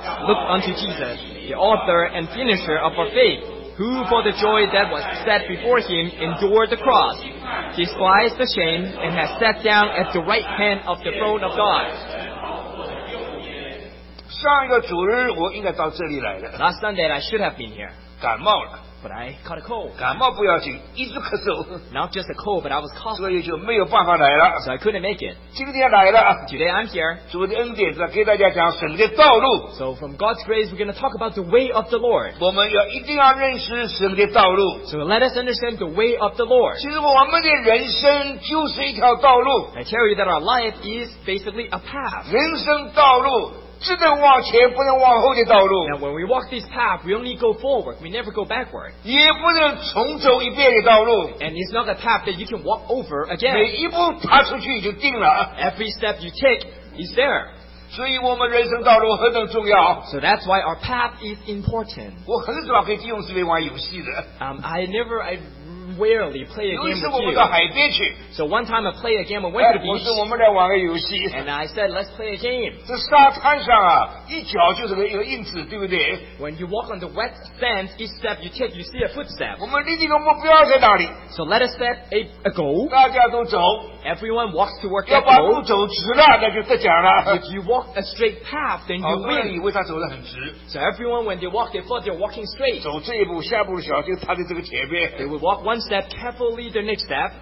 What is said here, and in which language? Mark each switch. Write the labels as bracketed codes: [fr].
[en] Look unto Jesus, the author and finisher of our faith, who for the joy that was set before him endured the cross, despised the shame, and has sat down at the right hand of the throne of God. Last Sunday I should have been here. [zh] 感冒了。 [en] But I caught a cold. [zh] 感冒不要紧，一直咳嗽。 [en] Not just a cold, but I was coughing. [zh] 所以就没有办法来了。 [en] So I couldn't make it. [zh] 今天来了。 [en] Today I'm here. [zh] 主的恩典是给大家讲神的道路。 [en] So from God's grace, we're going to talk about the way of the Lord. [zh] 我们要一定要认识神的道路。 [en] So let us understand the way of the Lord. [zh] 其实我们的人生就是一条道路。 [en] I tell you that our life is basically a path. [zh] 人生道路。只能往前不能往后的道路。 [en] Now when we walk this path, we only go forward, we never go backward. [zh] 也不能重走一遍的道路。 [en] And it's not a path that you can walk over again. [zh] 每一步踏出去就定了。 [en] Every step you take is there. [zh] 所以我们人生道路何等重要。 [en] So that's why our path is important. [zh] 我很少跟弟兄姊妹玩游戏的。 [en] Rarely play a game with you. So one time I played a game and went to the beach. [zh] 不是我们来玩个游戏。 [en] And I said, let's play a game. [zh] 这沙滩上啊，一脚就是个一个印子，对不对？ [en] When you walk on the wet sand, each step you take, you see a footstep. [zh] 我们立一个目标在哪里？ [en] So let us set a goal. [zh] 大家都走。 [en] Everyone walks to work. [zh] 要把路走直了，那就得奖了。 [en] If you walk a straight path, then you win. [zh] 以为他走得很直。 [en] So everyone when they walk, they thought they're walking straight. [zh] 走这一步，下一步小就他的这个前边。 [en] They will walk one step carefully, the next step.